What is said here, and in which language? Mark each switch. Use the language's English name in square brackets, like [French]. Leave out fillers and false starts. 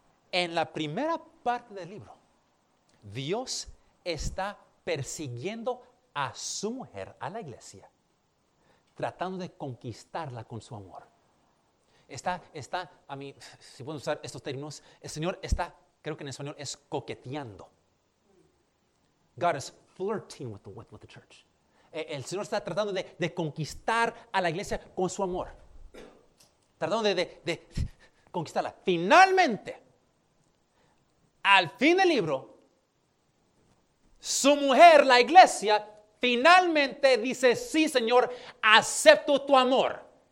[Spanish] En la primera parte del libro, Dios está persiguiendo a su mujer, a la iglesia, tratando de conquistarla con su amor. Está, a mí, si puedo usar estos términos, el Señor está, creo que en español es coqueteando. [English] God is flirting with the church. [Spanish] El Señor está tratando de conquistar a la iglesia con su amor. Tratando de conquistarla. Finalmente, al fin del libro, su mujer, la iglesia, finalmente dice, sí, Señor, acepto tu amor.